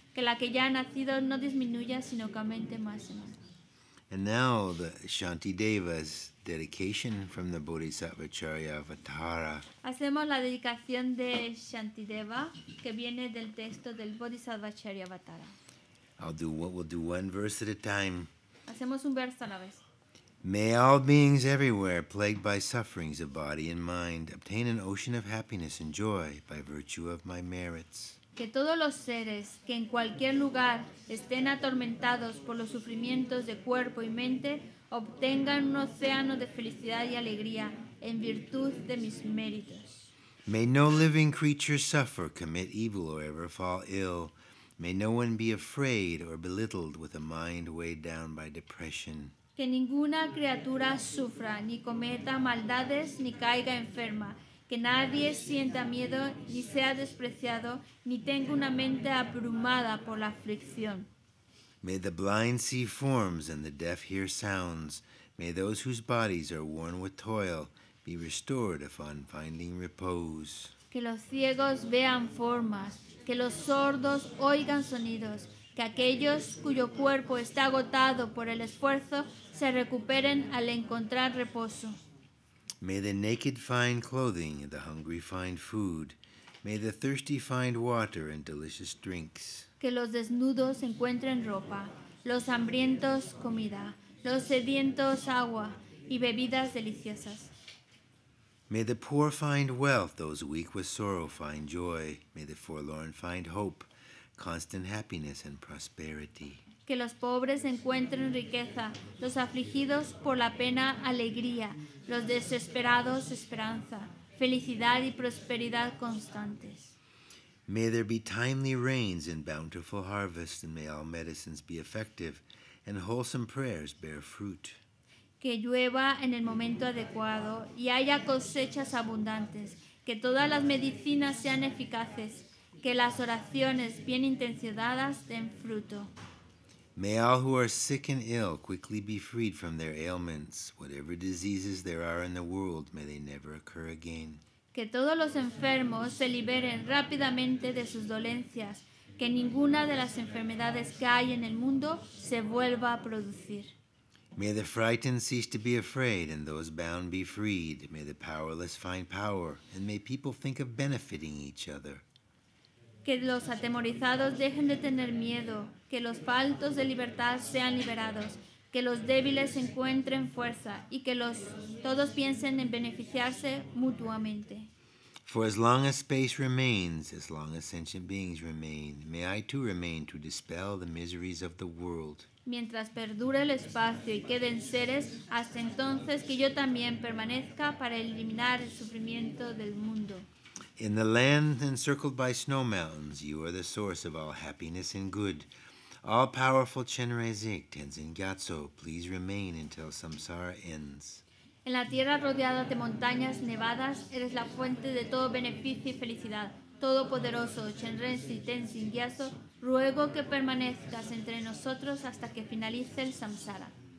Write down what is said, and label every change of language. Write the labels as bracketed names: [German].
[Spanish] Que la que ya ha nacido no disminuya, sino que aumente más y más. [English] And now the Shantideva's dedication from the Bodhisattva Charya Avatara. [Spanish] Hacemos la dedicación de Shantideva, que viene del texto del Bodhisattva Charya Avatara. [English] We'll do one verse at a time. [Spanish] Hacemos un verso a la vez. [English] May all beings everywhere, plagued by sufferings of body and mind, obtain an ocean of happiness and joy by virtue of my merits. [Spanish] Que todos los seres que en cualquier lugar estén atormentados por los sufrimientos de cuerpo y mente obtengan un océano de felicidad y alegría en virtud de mis méritos. [English] May no living creature suffer, commit evil, or ever fall ill. May no one be afraid or belittled with a mind weighed down by depression. [Spanish] Que ninguna criatura sufra, ni cometa maldades, ni caiga enferma. Que nadie sienta miedo, ni sea despreciado, ni tenga una mente abrumada por la aflicción. [English] May the blind see forms and the deaf hear sounds. May those whose bodies are worn with toil be restored upon finding repose. [Spanish] Que los ciegos vean formas, que los sordos oigan sonidos, que aquellos cuyo cuerpo está agotado por el esfuerzo se recuperen al encontrar reposo. [English] May the naked find clothing, the hungry find food. May the thirsty find water and delicious drinks. [Spanish] Que los desnudos encuentren ropa, los hambrientos comida, los sedientos agua y bebidas deliciosas. [English] May the poor find wealth, those weak with sorrow find joy. May the forlorn find hope, constant happiness and prosperity. [Spanish] Que los pobres encuentren riqueza, los afligidos por la pena alegría, los desesperados esperanza, felicidad y prosperidad constantes. [English] May there be timely rains and bountiful harvest, and may all medicines be effective, and wholesome prayers bear fruit. [Spanish] Que llueva en el momento adecuado y haya cosechas abundantes, que todas las medicinas sean eficaces, que las oraciones bien intencionadas den fruto. [English] May all who are sick and ill quickly be freed from their ailments. Whatever diseases there are in the world, may they never occur again. [Spanish] Que todos los enfermos se liberen rápidamente de sus dolencias, que ninguna de las enfermedades que hay en el mundo se vuelva a producir. [English] May the frightened cease to be afraid and those bound be freed. May the powerless find power and may people think of benefiting each other. [Spanish] Que los atemorizados dejen de tener miedo, que los faltos de libertad sean liberados, que los débiles encuentren fuerza y que todos piensen en beneficiarse mutuamente. [English] For as long as space remains, as long as sentient beings remain, may I too remain to dispel the miseries of the world. [Spanish] Mientras perdure el espacio y queden seres, hasta entonces que yo también permanezca para eliminar el sufrimiento del mundo. [English] In the land encircled by snow mountains, you are the source of all happiness and good. All-powerful Chenrezig, Tenzin Gyatso, please remain until samsara ends. [Spanish] En la tierra rodeada de montañas nevadas, eres la fuente de todo beneficio y felicidad. Todopoderoso Chenrezig, Tenzin Gyatso, ruego que permanezcas entre nosotros hasta que finalice el samsara.